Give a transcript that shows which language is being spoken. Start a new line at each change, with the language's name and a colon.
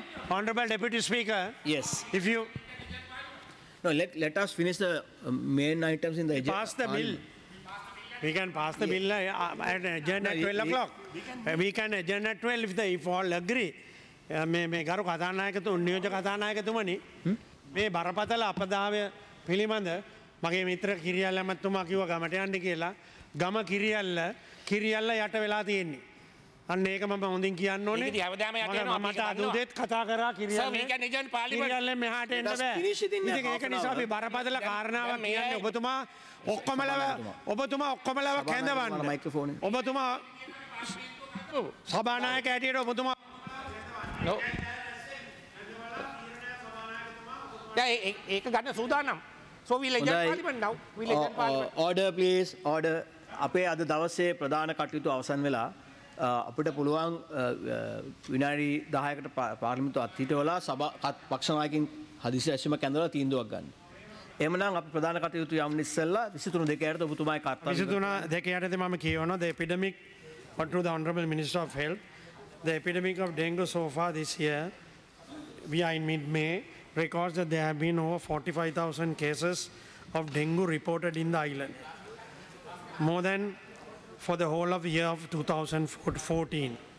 English: Honorable Deputy Speaker, yes. If you no, let us finish the main items in the agenda. Pass the bill. We can pass the bill at agenda 12 o'clock. We can agenda 12 if all agree.
Sinhala: මේ ගරු කතානායකතුමනි නියෝජක කතානායකතුමනි මේ බරපතල අපදාවය පිළිබඳ මගේ මිත්‍ර කිරියල් ඇමතුමා කිව්ව ගමට යන්න කියලා ගම කිරියල්ල කිරියල්ල යට වෙලා තියෙන්නේ. අන්න ඒක මම හොඳින් කියන්න ඕනේ. ඉතින් හැවදාම යට යනවා. මට අද උදේත් කතා කරා කිරියල්ල. සර් මේක නිජන් පාර්ලිමේන්තුව. කිරියල්ල මෙහාට එන්න බෑ. ඉතින් ඒක නිසා අපි බරපතල කාරණාවක් කියන්නේ ඔබතුමා ඔක්කොමලව කැඳවන්න. මයික්‍රොෆෝන් එක. ඔබතුමා සභානායක හැටියට ඔබතුමා නෝ. දැන් ඒක ගන්න සූදානම්.
English: So we'll adjourn parliament now. We'll adjourn parliament. Order please. Order.
Sinhala: අපේ අද දවසේ ප්‍රධාන කටයුතු අවසන් වෙලා අපිට පුළුවන් විනාඩි 10කට පාර්ලිමේන්තුව අත්හිටවලා සභා පක්ෂ නායකින් හදිසි ඇසීම කැඳවලා තීන්දුවක් ගන්න. එමනම් අපි ප්‍රධාන කටයුතු යම්න ඉස්සෙල්ලා 23 2 යටතේ ඔබතුමාගේ කාර්යභාරය 23 2 යටතේ මම කියවනවා
English: the epidemic under the honorable minister of health the epidemic of dengue so far this year we are in mid May records that there have been over 45,000 cases of dengue reported in the island more than for the whole of year of 2014.